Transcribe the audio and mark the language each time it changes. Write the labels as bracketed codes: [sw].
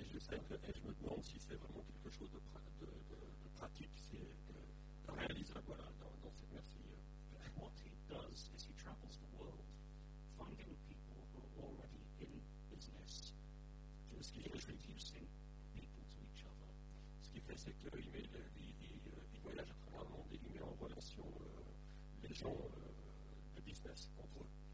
[fr] Et je me demande si c'est vraiment quelque chose de pratique, de réalisable, voilà, dans cette merci. [en] What he does is he travels the world, finding people who are already in business, just introducing people to each other. [fr] Ce qu'il fait, c'est qu'il voyage à travers le monde et il met en relation les gens de business entre eux.